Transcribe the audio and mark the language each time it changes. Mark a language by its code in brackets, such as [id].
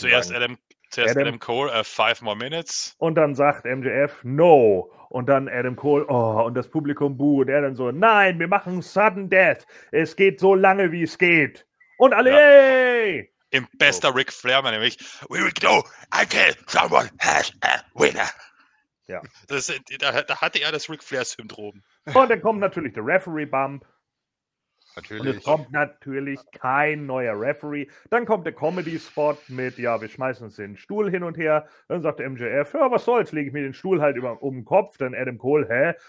[de] schon zuerst sagen. Adam Cole, [en] 5 more minutes. [de] Und dann sagt MJF, no. Und dann Adam Cole, oh, und das Publikum buh. Und er dann so, nein, wir machen Sudden Death. Es geht so lange, wie es geht. Und alle, yay! Im bester Ric Flair, meine ich. [en] We will go until someone has a winner. [de] Ja. Das, da hatte er das Ric Flair-Syndrom. Und dann kommt natürlich der Referee-Bump. Natürlich. Und es kommt natürlich kein neuer Referee. Dann kommt der Comedy-Spot mit, ja, wir schmeißen uns den Stuhl hin und her. Dann sagt der MJF, ja, was soll's, lege ich mir den Stuhl halt um den Kopf. Dann Adam Cole, hä?